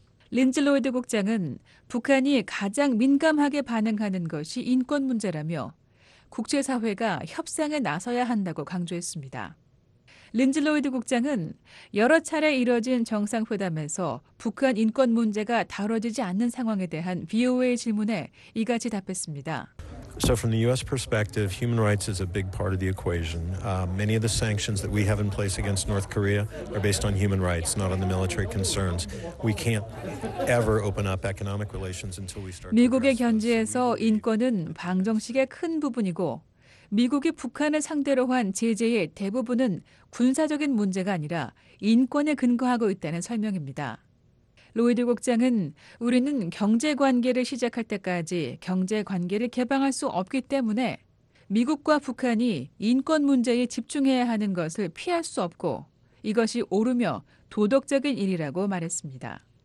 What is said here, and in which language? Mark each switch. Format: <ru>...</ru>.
<ko>린즈 로이드 국장은 북한이 가장 민감하게 반응하는 것이 인권 문제라며 국제사회가 협상에 나서야 한다고 강조했습니다. 린즈 로이드 국장은 여러 차례 이뤄진 정상회담에서 북한 인권 문제가 다뤄지지 않는 상황에 대한 VOA 질문에 이같이 답했습니다.</ko> <en>So from the US perspective, human rights is a big part of the equation. Many of the sanctions that we have in place against North Korea are based on human rights, not on the military concerns. We can't ever open up economic relations until we start.</en> <ko>미국의 견지에서 인권은 방정식의 큰 부분이고 미국이 북한을 상대로 한 제재의 대부분은 군사적인 문제가 아니라 인권에 근거하고 있다는 설명입니다. 로이드 국장은 우리는 경제관계를 시작할 때까지 경제관계를 개방할 수 없기 때문에 미국과 북한이 인권 문제에 집중해야 하는 것을 피할 수 없고 이것이 옳으며 도덕적인 일이라고 말했습니다.</ko>